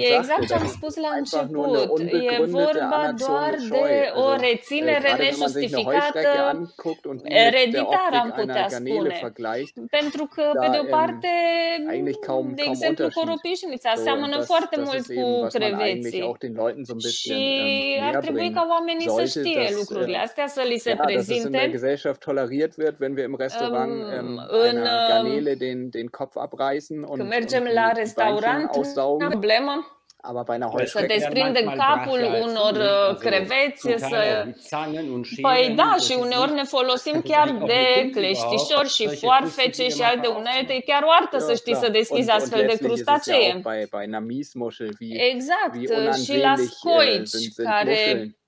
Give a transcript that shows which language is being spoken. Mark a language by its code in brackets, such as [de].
[ro] E exact ce am spus la început. E vorba doar de o reținere nejustificată, ereditară, am putea spune. Pentru că, pe de o parte, de exemplu, coropișnița seamănă foarte mult cu creveții. Și ar trebui ca oamenii să știe lucrurile astea, să li se prezinte. [de] Dass es in der Gesellschaft toleriert wird, wenn wir im Restaurant einer Garnele den Kopf abreißen und [ro] mergem la restaurant. Nu e problemă să desprindem capul unor creveți, să... Păi da, și uneori ne folosim chiar de cleștișori și foarfece și alte unelte. E chiar o artă să știi să deschizi astfel de crustacee. Exact, și la scoici, care...